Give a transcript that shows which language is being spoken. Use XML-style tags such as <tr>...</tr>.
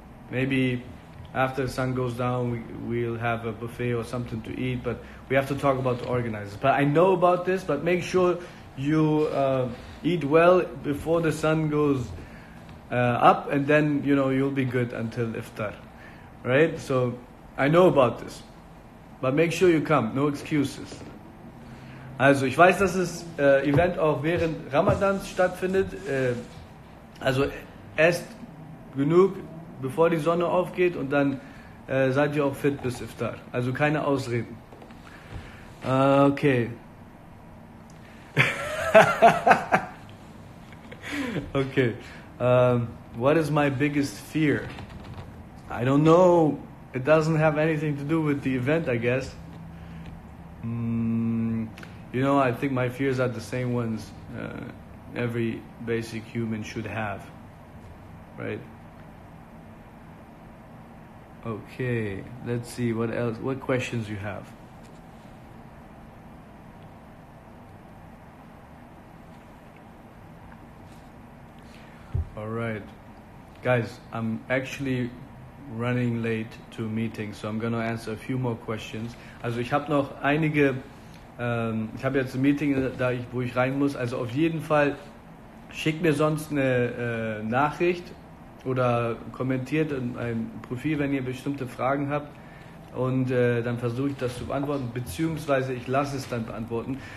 <en>Maybe after the sun goes down, we'll have a buffet or something to eat, but we have to talk about the organizers. But I know about this, but make sure you eat well before the sun goes up, and then, you know, you'll be good until iftar, right? So I know about this, but make sure you come, no excuses.</en> <de>Also ich weiß, dass das Event auch während Ramadan stattfindet. Also esst genug, bevor die Sonne aufgeht, und dann seid ihr auch fit bis Iftar. Also keine Ausreden. Okay.</de> <en>Okay. What is my biggest fear? I don't know. It doesn't have anything to do with the event, I guess. You know, I think my fears are the same ones every basic human should have. Right? Okay, let's see what else, what questions you have. All right, guys, I'm actually running late to a meeting, so I'm gonna answer a few more questions.</en> <de>Also ich habe noch einige, ich habe jetzt ein Meeting, wo ich rein muss. Also auf jeden Fall schickt mir sonst eine Nachricht oder kommentiert in meinem Profil, wenn ihr bestimmte Fragen habt. Und dann versuche ich das zu beantworten, beziehungsweise ich lasse es dann beantworten.</de>